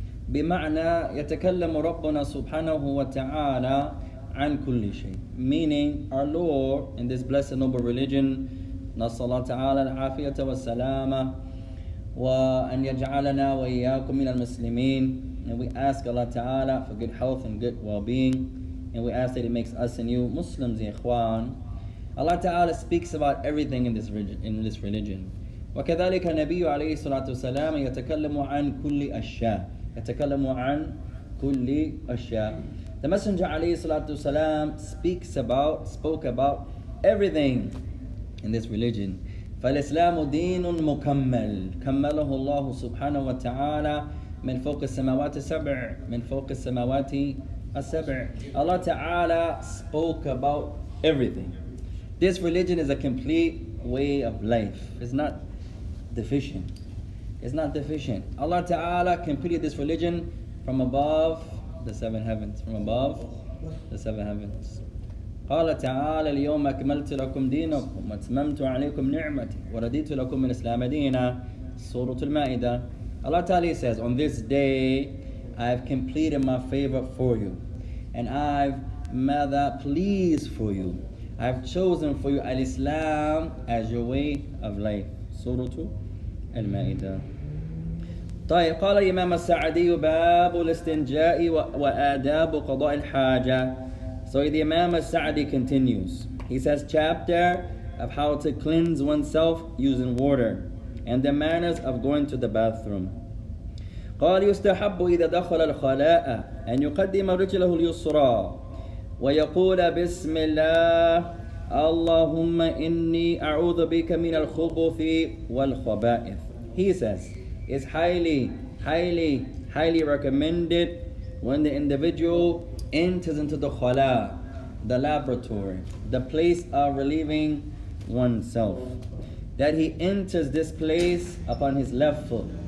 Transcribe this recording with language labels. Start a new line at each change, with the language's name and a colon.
Arabic: بمعنى يتكلم ربنا سبحانه وتعالى عن كل شيء.
English: Meaning, our Lord in this blessed noble religion,
Arabic: نسأل الله تعالى العافية والسلامة وأن يجعلنا وإياكم من المسلمين.
English: And we ask Allah Ta'ala for good health and good well-being. And we ask that it makes us and you Muslims, ikhwan. Allah Ta'ala speaks about everything in this religion.
Arabic: وَكَذَلِكَ النَّبِيُّ عَلَيْهِ صَلَاتُ وَسَلَامَ يَتَكَلَّمُ عَنْ كُلِّ أَشْيَاءٍ يَتَكَلَّمُ عَنْ كُلِّ أَشْيَاءٍ
English: The Messenger alayhi salatu salam spoke about everything in this religion.
Arabic: فَالْإِسْلَامُ دِينٌ مُكَمَّلٌ كَمَّلَهُ اللَّهُ سُبْحَانَهُ وَتَعَالَى مِنْ فَوْقِ السَّمَوَاتِ السَّبْعِ مِنْ فَوْقِ السَّمَوَاتِ السَّبْعِ.
English: Allah Ta'ala spoke about everything. This religion is a complete way of life. It's not deficient. It's not deficient. Allah Ta'ala completed this religion from above the seven heavens. From above the seven heavens.
Arabic: قال تعالى اليوم أكملت لكم دينكم وأتممت عليكم نعمتي ورديت لكم من الإسلام دينا سورة المائدة.
English: Allah Ta'ala says, on this day I have completed my favor for you and I've made that pleased for you. I've chosen for you al-Islam as your way of life.
Arabic: سورة المائدة. طيب قال الإمام السعدي باب الاستنجاء وآداب قضاء الحاجة.
English: So the Imam al-Sa'di continues. He says, chapter of how to cleanse oneself using water and the manners of going to the bathroom.
Arabic: قال يستحب إذا دخل الخلاء أن يقدم رجله اليسرى ويقول بسم الله اللهم إني أعوذ بك من الخبث والخبائث.
English: He says, it's highly, highly, highly recommended when the individual enters into the khala, the laboratory, the place of relieving oneself, that he enters this place upon his left foot.